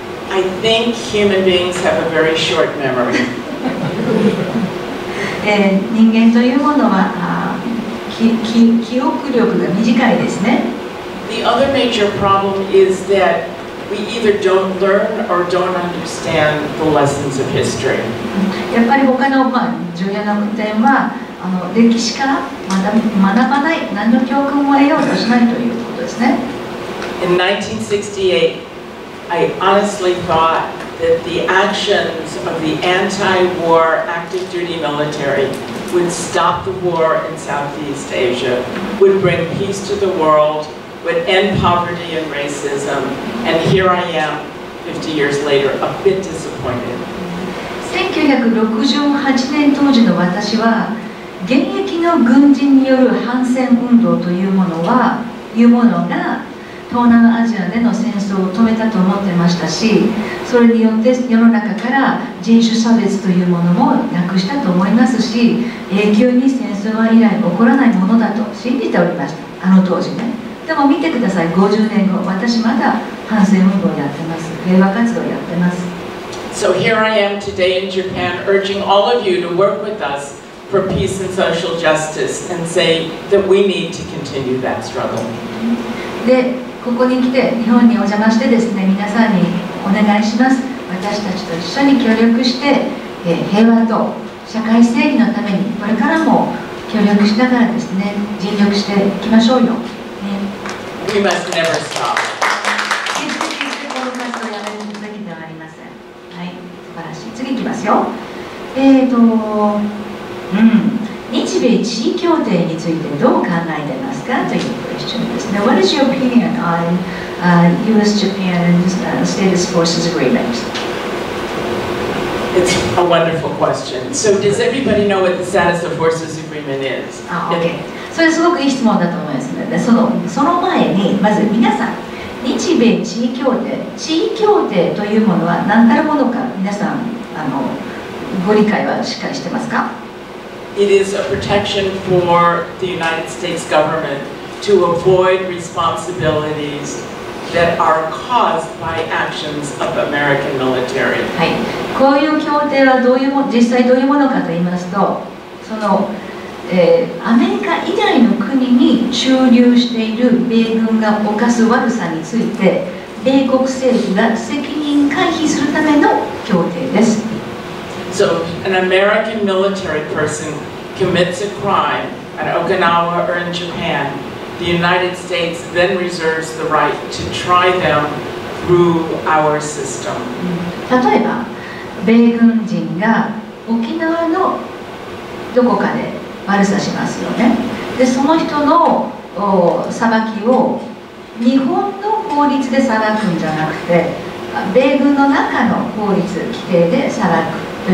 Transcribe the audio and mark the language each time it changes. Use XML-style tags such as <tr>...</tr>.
<en>I think human beings have a very short memory.</en> <ja>人間というものは記憶力が短いですね。</ja> <en>The other major problem is that we either don't learn or don't understand the lessons of history.</en> <ja>やっぱり他の、まあ、重要な点はあの歴史から学ばない、何の教訓も得ようとしないということですね。</ja> <en>In 1968, I honestly thought that the actions of the anti-war active duty military. Would stop the war in Southeast Asia, would bring peace to the world, would end poverty and racism. And here I am, 50 years later, a bit disappointed.</en> <ja>1968年当時の私は、現役の軍人による反戦運動というものは、いうものが東南アジアでの戦争を止めたと思ってましたし、それによって世の中から人種差別というものもなくしたと思いますし、永久に戦争は以来起こらないものだと信じておりました、あの当時ね。でも見てください、50年後私まだ反戦運動をやってます、平和活動をやってます。</ja> <en>So here I am today in Japan urging all of you to work with us for peace and social justice and say that we need to continue that struggle.</en> <ja>でここに来て日本にお邪魔してですね、皆さんにお願いします、私たちと一緒に協力して平和と社会正義のためにこれからも協力しながらですね、尽力していきましょうよ、ね、</ja> <en>We must never stop.</en> <ja>決して決してこの活動をやめるべきではありません。はい、素晴らしい。次いきますよ。日米地位協定についてどう考えてますかというクエスチョンです。</ja> <en>Now, what is your opinion on US-Japan Status Forces Agreement? It's a wonderful question. So, does everybody know what the Status of Forces Agreement is? Okay.</en> <ja>それすごくいい質問だと思いますので、その前に、まず皆さん、日米地位協定、地位協定というものは何たるものか、皆さん、ご理解はしっかりしてますか？</ja> <en>It is a protection for the United States government to avoid responsibilities that are caused by actions of American military.</en> <ja>はい。こういう協定はどういうも、実際どういうものかと言いますと、その、アメリカ以外の国に駐留している米軍が犯す悪さについて、米国政府が責任回避するための協定です。</ja> <en>So, an American military person commits a crime at Okinawa or in Japan, the United States then reserves the right to try them through our system.</en> <ja>例えば、米軍人が沖縄のどこかで悪さしますよね。で、その人の裁きを日本の法律で裁くんじゃなくて、米軍の中の法律規定で裁く。</ja>